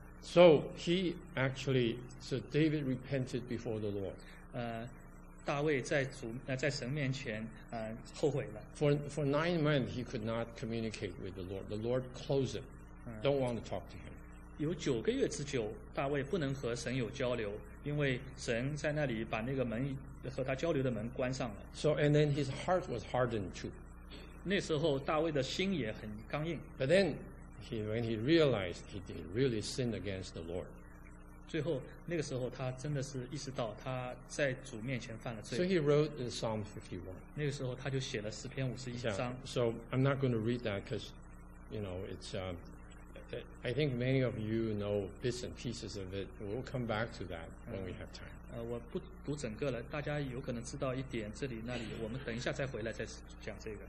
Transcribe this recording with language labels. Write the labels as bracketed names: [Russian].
[English] So he actually, so David repented before the Lord. [Chinese] 大卫在神面前后悔了。 [English] For 9 months he could not communicate with the Lord. The Lord closed him. Don't want to talk to him. [Chinese] 有九个月之久，大卫不能和神有交流。因为神在那里把那个门和他交流的门关上了。 [English] So and then his heart was hardened too. [Chinese] 那时候大卫的心也很刚硬。 [English] But then when he realized he did really sin against the Lord. [Chinese] 最后那个时候他真的是意识到他在主面前犯了罪。 [English] So he wrote in Psalm 51. [Chinese] 那个时候他就写了诗篇五十一章。 [English] Yeah, so I'm not going to read that because, you know, it's I think many of you know bits and pieces of it. We'll come back to that when we have time. [Chinese] 我不读整个了，大家有可能知道一点这里那里，我们等一下再回来再讲这个。